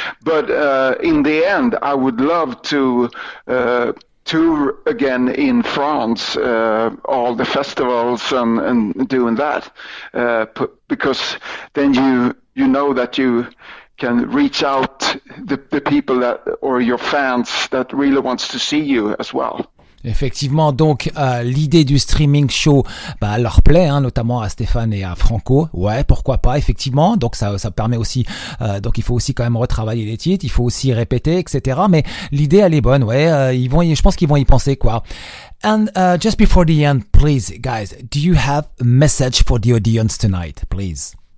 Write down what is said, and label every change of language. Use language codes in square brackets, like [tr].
[en] But in the end, I would love to tour again in France, all the festivals and doing that, because then you know that you can reach out the people that, or your fans that really wants to see you as well. [fr] Effectivement, donc l'idée du streaming show, bah, leur plaît, hein, notamment à Stéphane et à Franco. Ouais, pourquoi pas, effectivement. Donc ça permet aussi. Donc il faut aussi quand même retravailler les titres, il faut aussi répéter, etc. Mais l'idée elle est bonne. Ouais, je pense qu'ils vont y penser quoi. [en] And just before the end, please, guys, do you have a message for the audience tonight, please?